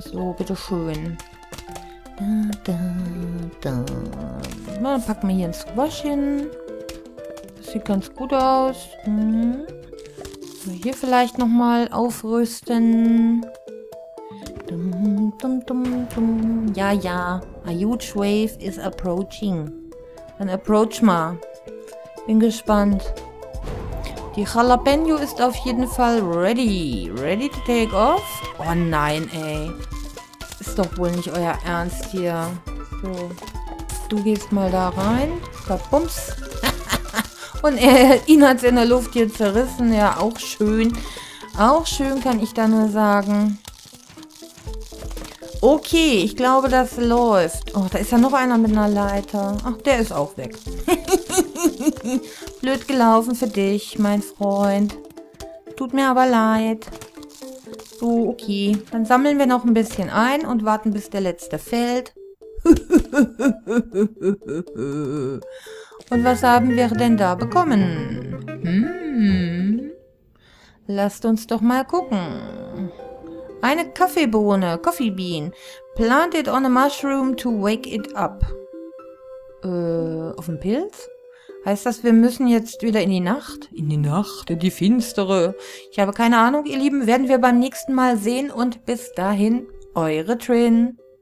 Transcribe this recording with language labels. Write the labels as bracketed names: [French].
[German] So, bitteschön. Dann packen wir hier ein Squash hin. Sieht ganz gut aus. Hm. Hier vielleicht noch mal aufrüsten. Dum, dum, dum, dum. Ja, ja. [English] A huge wave is approaching. [German] Dann approach mal. Bin gespannt. Die Jalapeno ist auf jeden Fall ready. [English] Ready to take off? [German] Oh nein, ey. Ist doch wohl nicht euer Ernst hier. So. Du gehst mal da rein. Kabums. Und ihn hat es in der Luft hier zerrissen. Ja, auch schön. Auch schön, kann ich da nur sagen. Okay, ich glaube, das läuft. Oh, da ist ja noch einer mit einer Leiter. Ach, der ist auch weg. Blöd gelaufen für dich, mein Freund. Tut mir aber leid. So, okay. Dann sammeln wir noch ein bisschen ein und warten, bis der letzte fällt. Und was haben wir denn da bekommen? Lasst uns doch mal gucken. Eine Kaffeebohne, Coffee Bean. [English] Plant it on a mushroom to wake it up. [German] Auf dem Pilz? Heißt das, wir müssen jetzt wieder in die Nacht? In die Nacht, in die Finstere. Ich habe keine Ahnung, ihr Lieben. Werden wir beim nächsten Mal sehen. Und bis dahin, eure Trin.